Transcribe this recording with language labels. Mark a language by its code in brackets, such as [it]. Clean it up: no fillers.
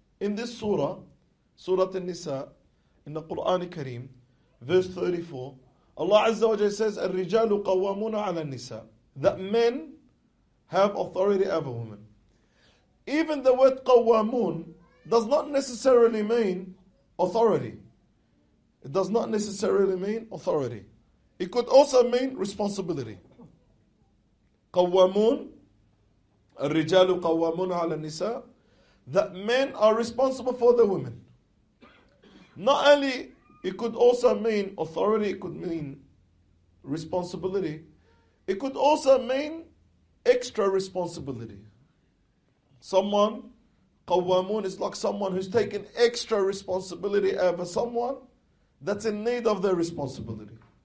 [en] In this surah, Surah An-Nisa, in the Quran Kareem, verse 34, Allah Azza wa Jalla says, [ar] الرِّجَالُ قَوَّمُونَ عَلَى النِّسَاءِ. [en] That men have authority over women. Even the word قَوَّمُون does not necessarily mean authority. It does not necessarily mean authority. It could also mean responsibility. [ar] قوامون الرجال قوامون على النساء. [en] That men are responsible for the women. Not only it could also mean authority, it could mean responsibility. It could also mean extra responsibility. Someone قوامون is like someone who's taken extra responsibility over someone that's in need of their responsibility.